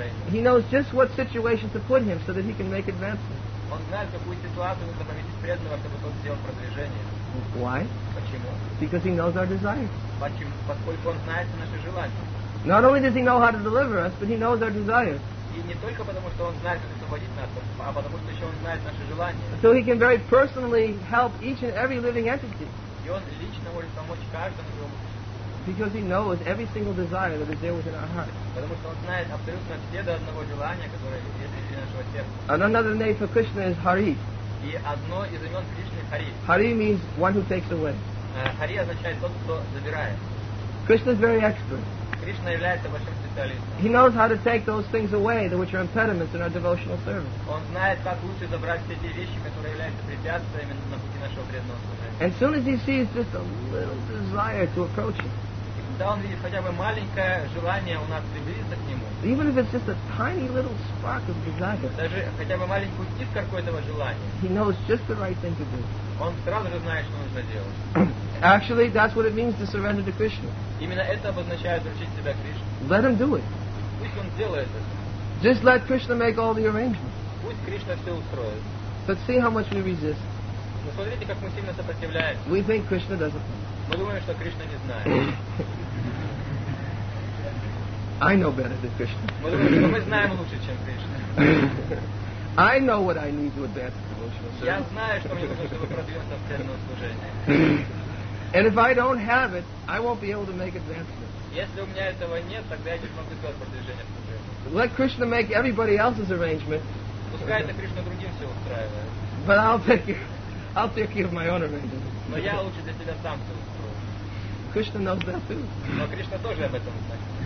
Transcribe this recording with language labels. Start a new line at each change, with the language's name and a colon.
English: He knows just what situation to put him so that he can make advancement. Why? Because he knows our desires. Not only does he know how to deliver us, but he knows our desires.
Russian: И не только потому, что он знает, как освободить нас, а потому, что еще он знает наши желания.
English: So he can very personally help each and every living entity.
Russian: И он лично может помочь каждому живому.
English: Because he knows every single desire that is there within our heart.
Russian: Потому что он знает абсолютно все до одного желания, которое есть внутри нашего сердца.
English: And another name for Krishna is Hari.
Russian: И одно из имен Кришны Hari.
English: Hari means one who takes away.
Russian: Hari означает тот, кто забирает.
English: Krishna is very expert.
Russian: Кришна является большим специалистом.
English: He knows how to take those things away which are impediments in our devotional service.
Russian: Он знает, как лучше забрать все те вещи, которые являются препятствиями на пути нашего преданного служения.
English: And soon as he sees just a little desire to approach him.
Russian: Когда он видит хотя бы маленькое желание у нас приблизиться к нему.
English: Even if it's just a tiny little spark of desire.
Russian: Даже хотя бы маленький искорку этого желания.
English: He knows just the right thing to do.
Russian: Он сразу же знает, что нужно делать.
English: Actually, that's what it means to surrender to Krishna.
Russian: Именно это обозначает вручить себя Кришне.
English: Let him do it.
Russian: Пусть он делает это.
English: Just let Krishna make all the arrangements.
Russian: Пусть Кришна все устроит.
English: But see how much we resist.
Russian: Но смотрите, как мы сильно сопротивляемся.
English: We think Krishna doesn't.
Russian: Мы думаем, что Кришна не знает.
English: I know better than Krishna.
Russian: Мы думаем, что мы знаем лучше, чем Кришна.
English: I know what I need to advance the devotional service.
Russian: Я знаю, что мне нужно, чтобы продвинуться в цельном служении.
English: And if I don't have it, I won't be able to make advancement.
Russian: Если у меня этого нет, тогда я не смогу сделать продвижение.
English: Let Krishna make everybody else's arrangement.
Russian: Пускай это Кришна другим все устраивает.
English: But I'll take care of my own arrangement.
Russian: Но я лучше для себя сам все устрою.
English: Krishna knows that too.
Russian: Но Кришна тоже об этом знает.